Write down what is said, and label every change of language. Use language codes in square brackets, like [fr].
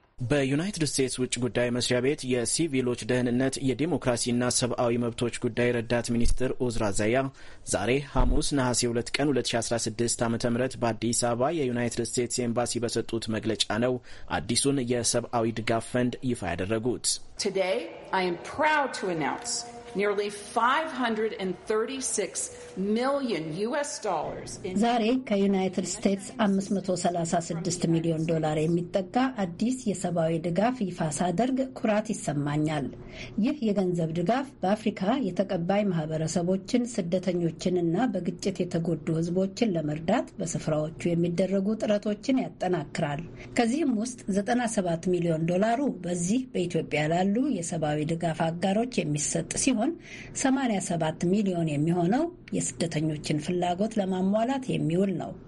[am] በዩናይትድ ስቴትስ ውጭ ጉዳይ መስሪያ ቤት የሲቪሎች ደህንነት የዲሞክራሲና ሰብአዊ መብቶች ጉዳይ ረዳት ሚኒስትር ኡዝራ ዘያ ዛሬ ሐሙስ ነሐሴ 2 ቀን 2016 ዓ.ም በአዲስ አበባ የዩናይትድ ስቴትስ ኤምባሲ በሰጡት መግለጫ ነው አዲሱን የሰብአዊ ድጋፍ ፈንድ ይፋ ያደረጉት። [en] Today I am proud to announce nearly 536 million US dollars [am] in ዛሬ ከዩናይትድ ስቴትስ 536 ሚሊዮን ዶላር የሚጠጋ አዲስ የሰብአዊ ድጋፍ ይፋ ሳደርግ ኩራት ይሰማኛል። ይህ የገንዘብ ድጋፍ በአፍሪካ የተቀባይ ማህበረሰቦችን፣ ስደተኞችንና በግጭት የተጎዱ ህዝቦችን ለመርዳት በስፍራዎቹ የሚደረጉ ጥረቶችን ያጠናክራል። ከዚህም ውስጥ 97 ሚሊዮን ዶላሩ በዚህ በኢትዮጵያ ላሉ የሰብአዊ ድጋፍ አጋሮች የሚሰጥ ሲሆን 87 ሚሊዮን የሚሆነው የስደተኞችን ፍላጎት ለማሟላት የሚውል ነው።